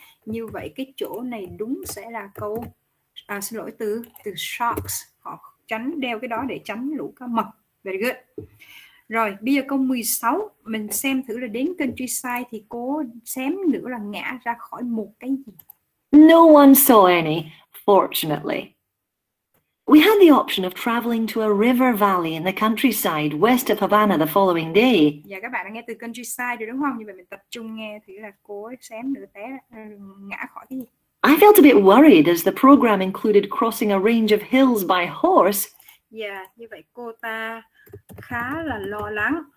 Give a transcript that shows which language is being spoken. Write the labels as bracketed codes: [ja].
[vi] Như vậy cái chỗ này đúng sẽ là câu từ sharks. Họ tránh đeo cái đó để tránh lũ cá mập. [en] Very good. [vi] Rồi, bây giờ câu 16, mình xem thử là đến countryside thì cô xém nữa là ngã ra khỏi một cái gì? [en] No one saw any, fortunately. We had the option of traveling to a river valley in the countryside west of Havana the following day. [vi] Dạ, các bạn đã nghe từ countryside rồi đúng không? Như vậy mình tập trung nghe thử là cô xém nữa té ngã khỏi cái gì? [en] I felt a bit worried as the program included crossing a range of hills by horse. [vi] Yeah, như vậy cô ta khá là lo lắng.